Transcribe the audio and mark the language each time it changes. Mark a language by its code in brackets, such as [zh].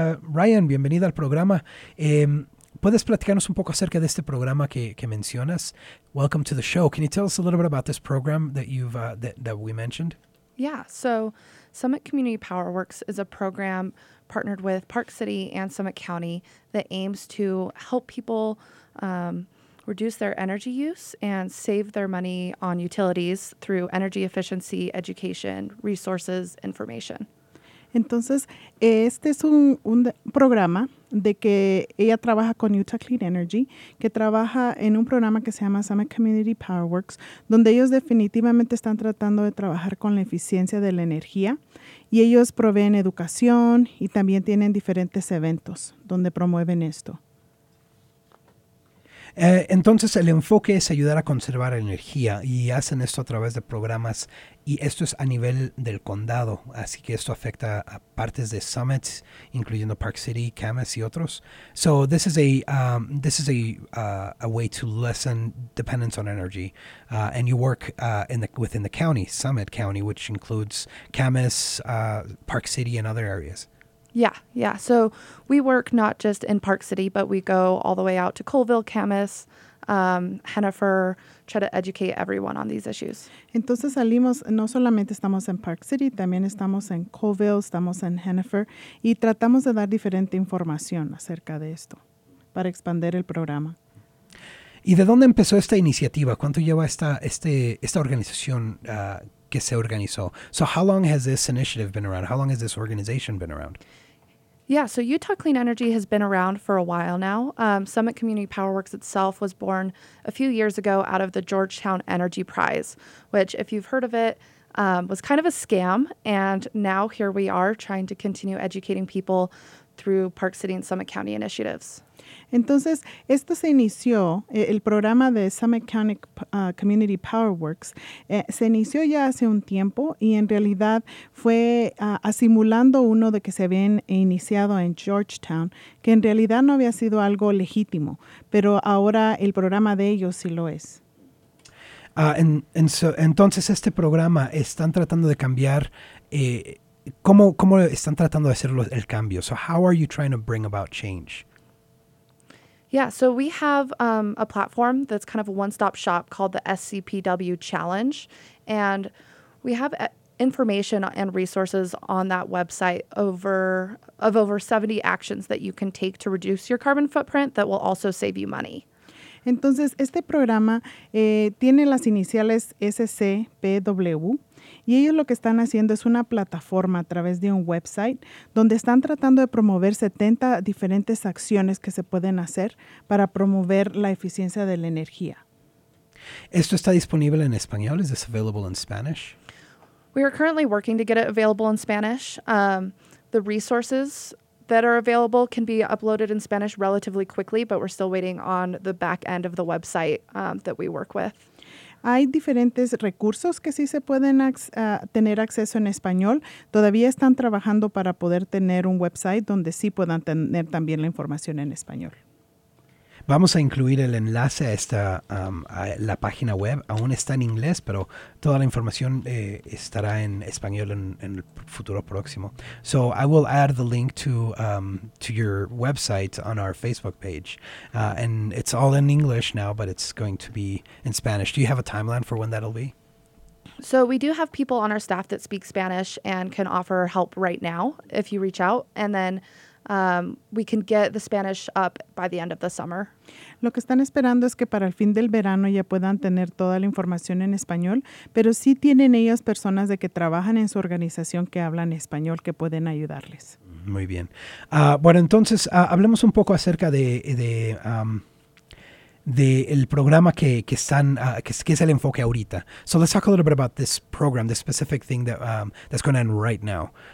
[es] Ryan, bienvenido al programa. ¿Puedes platicarnos un poco acerca de este programa que mencionas? [en] Welcome to the show. Can you tell us a little bit about this program that you've that we mentioned? Yeah, so Summit Community Power Works is a program partnered with Park City and Summit County that aims to help people reduce their energy use and save their money on utilities through energy efficiency, education, resources, information. [es] Entonces, este es un programa de que ella trabaja con Utah Clean Energy, que trabaja en un programa que se llama Summit Community Power Works, donde ellos definitivamente están tratando de trabajar con la eficiencia de la energía. Y ellos proveen educación y también tienen diferentes eventos donde promueven esto. Entonces, el enfoque es ayudar a conservar energía y hacen esto a través de programas. Y esto es a nivel del condado, así que esto afecta a partes de Summit, incluyendo Park City, Camas y otros. [en] So this is a way to lessen dependence on energy. And you work within the county, Summit County, which includes Camas, Park City, and other areas. Yeah. So we work not just in Park City, but we go all the way out to Colville, Camas, Hennifer, try to educate everyone on these issues. [es] Entonces salimos, no solamente estamos en Park City, también estamos en Colville, estamos en Hennifer, y tratamos de dar diferente información acerca de esto para expandir el programa. ¿Y de dónde empezó esta iniciativa? ¿Cuánto lleva esta organización que se organizó? [en] So how long has this initiative been around? How long has this organization been around? Yeah, so Utah Clean Energy has been around for a while now. Summit Community Power Works itself was born a few years ago out of the Georgetown Energy Prize, which, if you've heard of it, was kind of a scam. And now here we are trying to continue educating people through Park City and Summit County initiatives. [es] Entonces, esto se inició, el programa de Summit County Community Power Works, se inició ya hace un tiempo y en realidad fue simulando uno de que se habían iniciado en Georgetown, que en realidad no había sido algo legítimo, pero ahora el programa de ellos sí lo es. Entonces, este programa están tratando de cambiar, ¿cómo están tratando de hacer el cambio? [en] So, how are you trying to bring about change? Yeah, so we have a platform that's kind of a one-stop shop called the SCPW Challenge, and we have information and resources on that website over 70 actions that you can take to reduce your carbon footprint that will also save you money. [es] Entonces, este programa tiene las iniciales SCPW, y ellos lo que están haciendo es una plataforma a través de un website donde están tratando de promover 70 diferentes acciones que se pueden hacer para promover la eficiencia de la energía. ¿Esto está disponible en español? ¿Es disponible en español? [en] We are currently working to get it available in Spanish. The resources that are available can be uploaded in Spanish relatively quickly, but we're still waiting on the back end of the website that we work with. [es] Hay diferentes recursos que sí se pueden tener acceso en español. Todavía están trabajando para poder tener un website donde sí puedan tener también la información en español. Vamos a incluir el enlace a esta a la página web. Aún está en inglés, pero toda la información estará en español en el futuro próximo. [en] So I will add the link to your website on our Facebook page. And it's all in English now, but it's going to be in Spanish. Do you have a timeline for when that'll be? So we do have people on our staff that speak Spanish and can offer help right now if you reach out. And then we can get the Spanish up by the end of the summer. [es] Lo que están esperando es que para el fin del verano ya puedan tener toda la información en español, pero sí tienen ellas personas de que trabajan en su organización que hablan español que pueden ayudarles. Muy bien. Bueno, entonces, hablemos un poco acerca de el programa que es el enfoque ahorita. [en] So let's talk a little bit about this program, this specific thing that that's going on right now.